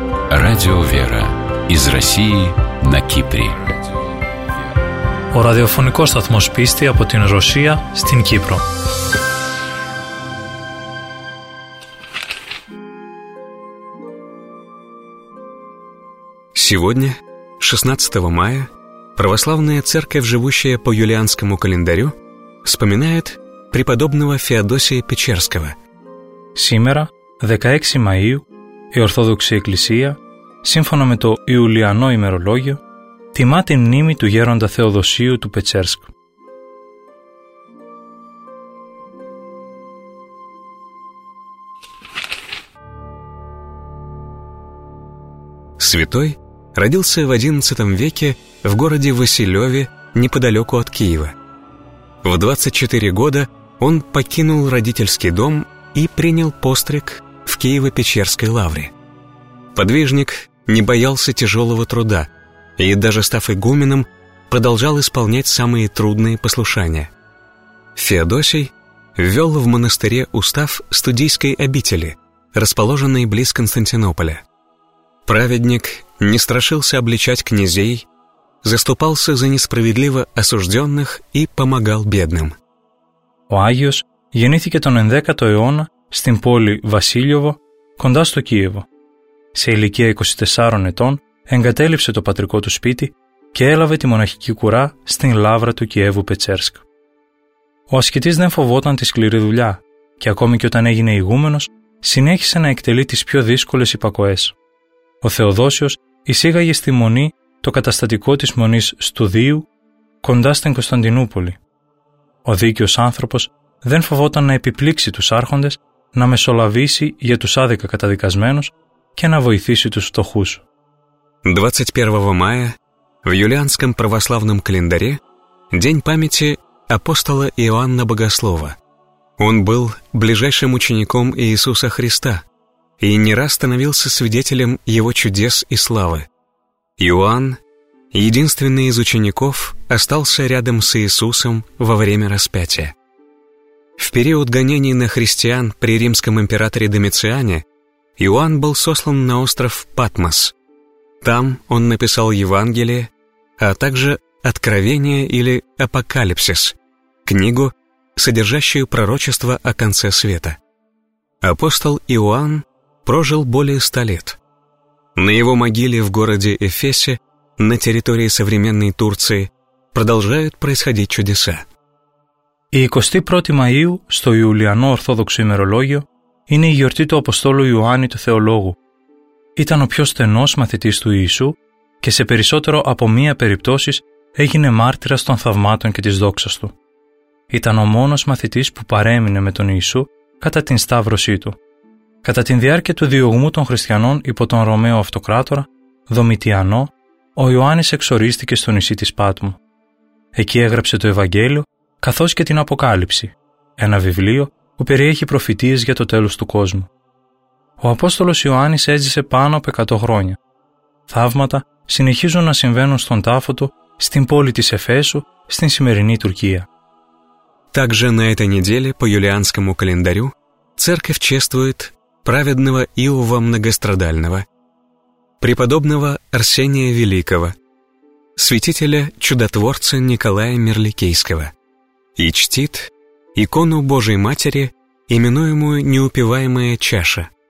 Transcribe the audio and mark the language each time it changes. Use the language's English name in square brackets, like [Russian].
[Russian] Радио «Вера» из России на Кипре. [Greek] Ο ραδιοφωνικός σταθμός πίστη από την Ρωσία στην Κύπρο. [Russian] Сегодня, 16 мая, православная церковь, живущая по юлианскому календарю, вспоминает преподобного Феодосия Печерского. Сегодня, 16 мая, [Greek] η Ορθόδοξη Εκκλησία, σύμφωνα με το Ιουλιανό ημερολόγιο, τιμά τη μνήμη του Γέροντα Θεοδοσίου του Πετσέρσκ. [Russian] Святой родился в XI веке в городе Василеве, неподалеку от Киева. В 24 года он покинул родительский дом и принял постриг в Киево-Печерской лавре. Подвижник не боялся тяжелого труда и, даже став игуменом, продолжал исполнять самые трудные послушания. Феодосий ввел в монастыре устав студийской обители, расположенной близ Константинополя. Праведник не страшился обличать князей, заступался за несправедливо осужденных и помогал бедным. [Greek] Ο Άγιος γεννήθηκε τον 10ο αιώνα στην πόλη Βασίλειοβο, κοντά στο Κίεβο. Σε ηλικία 24 ετών εγκατέλειψε το πατρικό του σπίτι και έλαβε τη μοναχική κουρά στην λαύρα του Κιέβου Πετσέρσκ. Ο ασκητής δεν φοβόταν τη σκληρή δουλειά και ακόμη και όταν έγινε ηγούμενος, συνέχισε να εκτελεί τις πιο δύσκολες υπακοές. Ο Θεοδόσιος εισήγαγε στη Μονή το καταστατικό της Μονής Στουδίου κοντά στην Κωνσταντινούπολη. Ο δίκαιος άνθρωπος δεν φοβόταν να επιπλήξει τους άρχοντες, να μεσολαβήσει για τους άδικα καταδικασμένους και να βοηθήσει τους φτωχούς. [Russian] 21 мая в юлианском православном календаре день памяти апостола Иоанна Богослова. Он был ближайшим учеником Иисуса Христа и не раз становился свидетелем его чудес и славы. Иоанн, единственный из учеников, остался рядом с Иисусом во время распятия. В период гонений на христиан при римском императоре Домициане Иоанн был сослан на остров Патмос. Там он написал Евангелие, а также Откровение или Апокалипсис, книгу, содержащую пророчество о конце света. Апостол Иоанн прожил более 100 лет. На его могиле в городе Эфесе, на территории современной Турции, продолжают происходить чудеса. 21 мая [Greek] στο Ιουλιανό Ορθόδοξο ημερολόγιο είναι η γιορτή του Αποστόλου Ιωάννη του Θεολόγου. Ήταν ο πιο στενός μαθητής του Ιησού και σε περισσότερο από μία περιπτώσεις έγινε μάρτυρας των θαυμάτων και της δόξας του. Ήταν ο μόνος μαθητής που παρέμεινε με τον Ιησού κατά την σταύρωσή του. Κατά την διάρκεια του διωγμού των χριστιανών υπό τον Ρωμαίο Αυτοκράτορα, Δομητιανό, ο Ιωάννης εξορίστηκε στο νησί της Πάτμου. Εκεί έγραψε το Ευαγγέλιο καθώς και την Αποκάλυψη, ένα βιβλίο που περιέχει προφητείες για το τέλος του κόσμου. Ο Απόστολος Ιωάννης έζησε πάνω από 100 χρόνια. Θαύματα συνεχίζουν να συμβαίνουν στον τάφο του, στην πόλη της Εφέσου, στην σημερινή Τουρκία. [Russian] Также на этой неделе по юлианскому календарю церковь чествует праведного Иова Многострадального, преподобного Арсения Великого, святителя чудотворца Николая Мерликийского и чтит икону Божией Матери, именуемую «Неупиваемая чаша».